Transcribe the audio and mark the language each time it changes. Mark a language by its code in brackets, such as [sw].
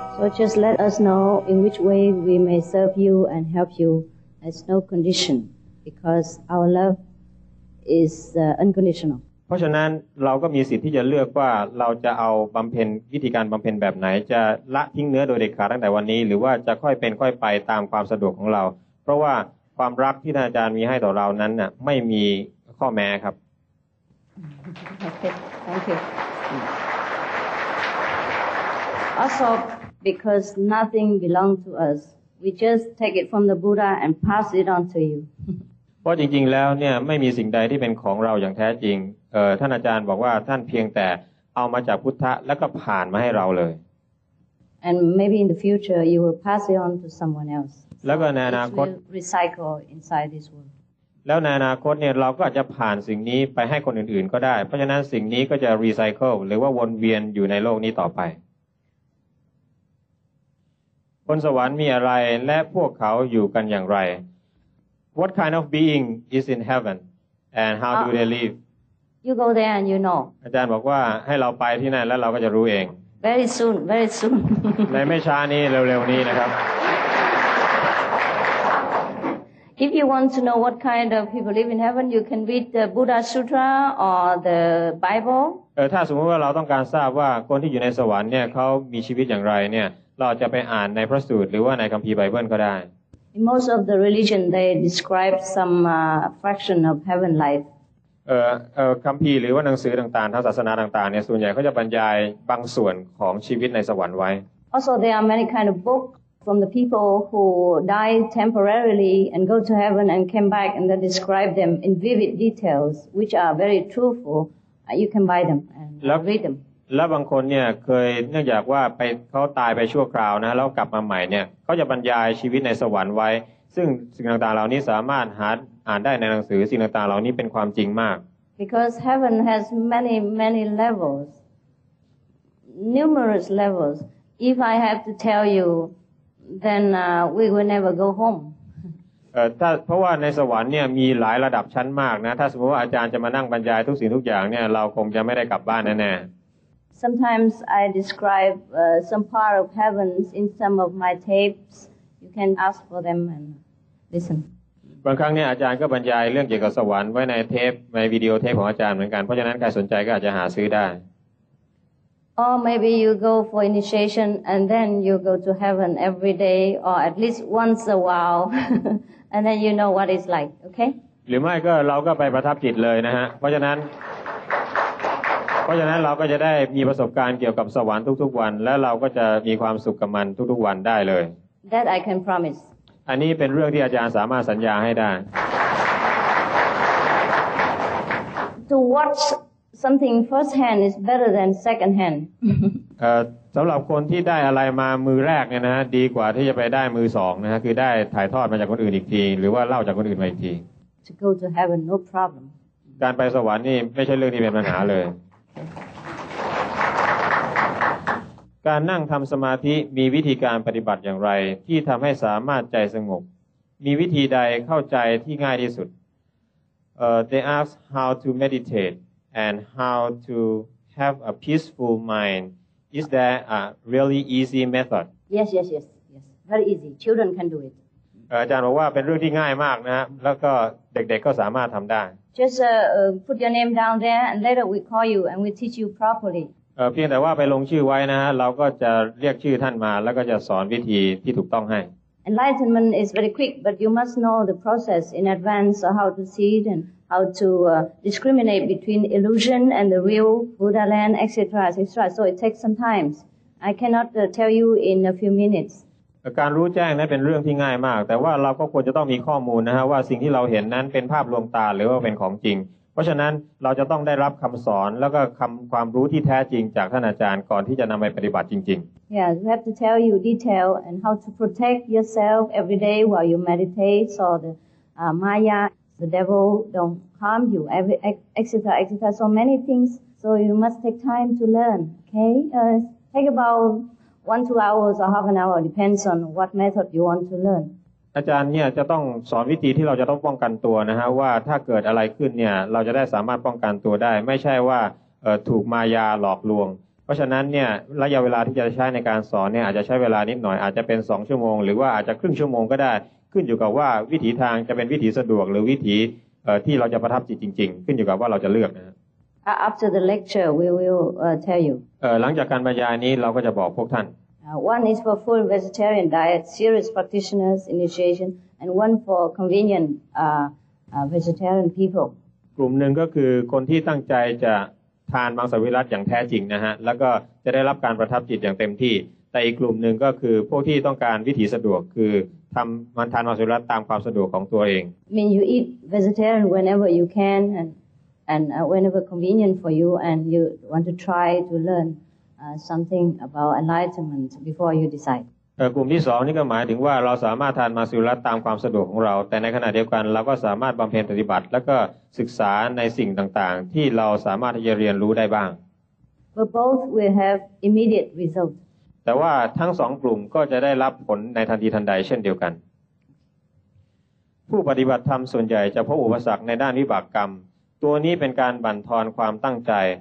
[en] Just let us know in which way we may serve you and help you. There's no condition because our love is unconditional. [th] เพราะฉะนั้นเราก็มีสิทธิ์ที่จะเลือกว่าเราจะเอาบำเพ็ญวิธีการบำเพ็ญแบบไหนจะละทิ้งเนื้อโดยเด็ดขาดตั้งแต่วันนี้หรือว่าจะค่อยเป็นค่อยไปตามความสะดวกของเราเพราะว่าความรักที่ท่านอาจารย์มีให้ต่อเรานั้นน่ะไม่มีข้อแม้ครับ [en] Okay. Thank you. Also,Because nothing belongs to us, we just take it from the Buddha and pass it on to you. [th] เพราะจริงๆแล้วเนี่ยไม่มีสิ่งใดที่เป็นของเราอย่างแท้จริงท่านอาจารย์บอกว่าท่านเพียงแต่เอามาจากพุทธะแล้วก็ผ่านมาให้เราเลย [en] And maybe in the future you will pass it on to someone else. [th] แล้วก็ในอนาคต [en] recycle inside this world. [th] แล้วในอนาคตเนี่ยเราก็อาจจะผ่านสิ่งนี้ไปให้คนอื่นๆก็ได้เพราะฉะนั้นสิ่งนี้ก็จะ recycle หรือว่าวนเวียนอยู่ในโลกนี้ต่อไปคนสวรรค์มีอะไรและพวกเขาอยู่กันอย่างไร [en] What kind of being is in heaven and how do they live You go there and you know [th] อาจารย์บอกว่าให้เราไปที่นั่นแล้วเราก็จะรู้เอง [en] Very soon very soon [th] ในไม่ช้านี้เร็วๆนี้นะครับ [en] If you want to know what kind of people live in heaven you can read the Buddha Sutra or the Bible [th] ถ้าสมมติว่าเราต้องการทราบว่าคนที่อยู่ในสวรรค์เนี่ยเขามีชีวิตอย่างไรเนี่ยเราจะไปอ่านในพระสูตรหรือว่าในคัมภีร์ไบเบิลก็ได้ [en] Most of the religion they describe some fraction of heaven life [th] คัมภีร์หรือว่าหนังสือต่างๆทางศาสนาต่างๆเนี่ยส่วนใหญ่เขาจะบรรยายบางส่วนของชีวิตในสวรรค์ไว้ [en] Also there are many kind of book from the people who die temporarily and go to heaven and came back and they describe them in vivid details which are very truthful you can buy them and read them [th] แล้วบางคนเนี่ยเคยเนื่องจากว่าไปเขาตายไปชั่วคราวนะแล้วกลับมาใหม่เนี่ยเขาจะบรรยายชีวิตในสวรรค์ไว้ซึ่งสิ่งต่างๆเหล่านี้สามารถหาอ่านได้ในหนังสือสิ่งต่างๆเหล่านี้เป็นความจริงมาก [en] Because heaven has many many levels numerous levels if I have to tell you then we will never go home [th] ถ้าเพราะว่าในสวรรค์เนี่ยมีหลายระดับชั้นมากนะถ้าสมมติว่าอาจารย์จะมานั่งบรรยายทุกสิ่งทุกอย่างเนี่ยเราคงจะไม่ได้กลับบ้านแน่ [en] Sometimes I describe some part of heavens in some of my tapes. You can ask for them and listen. [th] บางครั้งเนี่ยอาจารย์ก็บรรยายเรื่องเกี่ยวกับสวรรค์ไว้ในเทปในวิดีโอเทปของอาจารย์เหมือนกันเพราะฉะนั้นใครสนใจก็อาจจะหาซื้อได้ [en] Or maybe you go for initiation and then you go to heaven every day or at least once a while and then you know what it's like, okay? [th] หรือไม่ก็เราก็ไปประทับจิตเลยนะฮะเพราะฉะนั้นเพราะฉะนั้นเราก็จะได้มีประสบการณ์เกี่ยวกับสวรรค์ทุกๆวันและเราก็จะมีความสุขกับมันทุกๆวันได้เลย [en] That I can promise [th] อันนี้เป็นเรื่องที่อาจารย์สามารถสัญญาให้ได้ [en] To watch something first hand is better than second hand [th] สำหรับคนที่ได้อะไรมามือแรกเนี่ยนะดีกว่าที่จะไปได้มือสองนะฮะคือได้ถ่ายทอดมาจากคนอื่นอีกทีหรือว่าเล่าจากคนอื่นมาอีกที [en] To go to heaven no problem [th] การไปสวรรค์นี่ไม่ใช่เรื่องที่เป็นปัญหาเลยการนั่งทำสมาธิมีวิธีการปฏิบัติอย่างไรที่ทำให้สามารถใจสงบมีวิธีใดเข้าใจที่ง่ายที่สุด [en] They ask how to meditate and how to have a peaceful mind. Is there a really easy method? Yes. Very easy. Children can do it. [th] อาจารย์บอกว่าเป็นเรื่องที่ง่ายมากนะแล้วก็เด็กๆก็สามารถทำได้ [en] Just put your name down there and later we call you and we teach you properly. [th] เพียงแต่ว่าไปลงชื่อไว้นะฮะเราก็จะเรียกชื่อท่านมาแล้วก็จะสอนวิธีที่ถูกต้องให้ [en] Enlightenment is very quick but you must know the process in advance of how to see it and how to discriminate between illusion and the real Buddha land etc. so it takes some time. I cannot tell you in a few minutes. [th] การรู้แจ้งนั้นเป็นเรื่องที่ง่ายมากแต่ว่าเราก็ควรจะต้องมีข้อมูลนะฮะว่าสิ่งที่เราเห็นนั้นเป็นภาพลวงตาหรือว่าเป็นของจริงเพราะฉะนั้นเราจะต้องได้รับคำสอนแล้วก็คำความรู้ที่แท้จริงจากท่านอาจารย์ก่อนที่จะนำไปปฏิบัติจริง [en] ๆ Yeah, we have to tell you detail and how to protect yourself every day while you meditate so the Maya, the devil don't harm you every etc. So many things so you must take time to learn. Okay, take about 1-2 hours or half an hour depends on what method you want to learn. [th] อาจารย์เนี่ยจะต้องสอนวิธีที่เราจะต้องป้องกันตัวนะฮะว่าถ้าเกิดอะไรขึ้นเนี่ยเราจะได้สามารถป้องกันตัวได้ไม่ใช่ว่าถูกมายาหลอกลวงเพ ราะฉะนั้นเนี่ยระยะเวลาที่จะใช้ในการสอนเนี่ยอาจจะใช้เวลานิดหน่อยอาจจะเป็น2ชั่วโมงหรือว่าอาจจะครึ่งชั่วโมงก็ได้ขึ้นอยู่กับว่าวิถีทางจะเป็นวิถีสะดวกหรือวิถีที่เราจะประทับจิตจริงๆขึ้นอยู่กับว่าเราจะเลือกนะ [en] After the lecture we will tell you [th] หลังจากการบรรยายนี้เราก็จะบอกพวกท่าน [en] One is for full vegetarian diet serious practitioners initiation and one for convenient vegetarian peopleg [th] ลุ่มหนึ่งก็คือคนที่ตั้งใจจะทานมังสวิรัติอย่างแท้จริงนะฮะแล้วก็จะได้รับการประทับจิตอย่างเต็มที่แต่อีกกลุ่มหนึ่งก็คือพวกที่ต้องการวิถีสะดวกคือทำมันทานมังสวิรัติตามความสะดวกของตัวเอง [en] mean you eat vegetarian whenever you can and whenever convenient for you and you want to try to learn something about enlightenment before you decide [th] กลุ่มที่สองนี่ก็หมายถึงว่าเราสามารถทานมังสวิรัติตามความสะดวกของเราแต่ในขณะเดียวกันเราก็สามารถบำเพ็ญปฏิบัติแล้วก็ศึกษาในสิ่งต่างๆที่เราสามารถที่จะเรียนรู้ได้บ้าง [en] But both will have immediate result [th] แต่ว่าทั้งสองกลุ่มก็จะได้รับผลในทันทีทันใดเช่นเดียวกันผู้ปฏิบัติธรรมส่วนใหญ่จะพบอุปสรรคในด้านวิบากกรรมตัวนี้เป็นการบั่นทอนความตั้งใจ